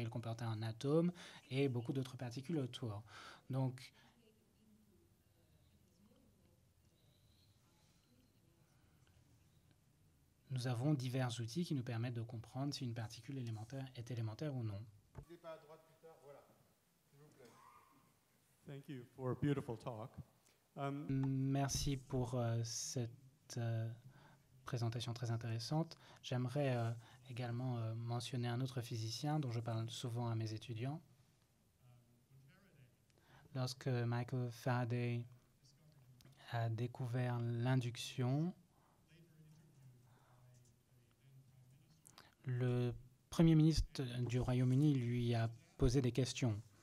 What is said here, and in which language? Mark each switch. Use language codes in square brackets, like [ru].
[fr] Il comportait un atome et beaucoup d'autres particules autour. Donc, nous avons divers outils qui nous permettent de comprendre si une particule élémentaire est élémentaire ou non. N'hésitez pas à droite plus tard, voilà. S'il vous plaît. [en] Thank you for a beautiful talk. [fr] Merci pour cette présentation très intéressante. J'aimerais également mentionner un autre physicien dont je parle souvent à mes étudiants. Lorsque Michael Faraday a découvert l'induction, le premier ministre du Royaume-Uni lui a posé des questions.